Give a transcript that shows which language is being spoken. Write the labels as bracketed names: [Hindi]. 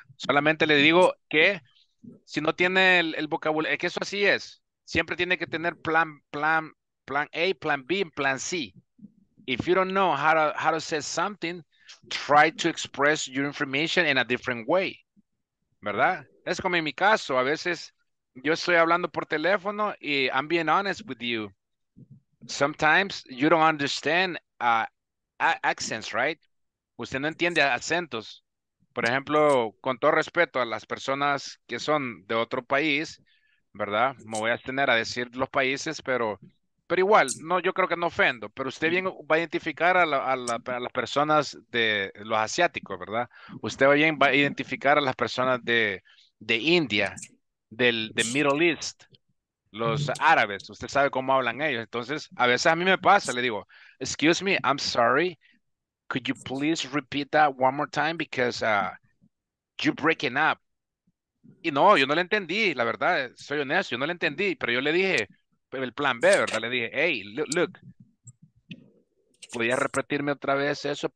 [Spanish] Solamente le digo que si no tiene el vocabulario, es que eso así es. Siempre tiene que tener plan A, plan B, plan C. [English] If you don't know how to say something, try to express your information in a different way. [Spanish] ¿Verdad? Es como en mi caso. A veces yo estoy hablando por teléfono y [English] I'm being honest with you. Sometimes you don't understand accents, right? [Spanish] Usted no entiende acentos. Por ejemplo, con todo respeto a las personas que son de otro país, ¿verdad? Me voy a tener a decir los países, pero igual, no, yo creo que no ofendo. Pero usted bien va a identificar a las personas de los asiáticos, ¿verdad? Usted bien va a identificar a las personas de India, del Middle East, los árabes. Usted sabe cómo hablan ellos. Entonces, a veces a mí me pasa, le digo, [English] excuse me, I'm sorry. Could you please repeat that one more time because you're breaking up. [Spanish] Y no, yo no le entendí, la verdad, soy honesto, yo no le entendí, pero yo le dije, el plan B, ¿verdad? Le dije, [English] hey, look, [Spanish] ¿podría repetirme otra vez eso?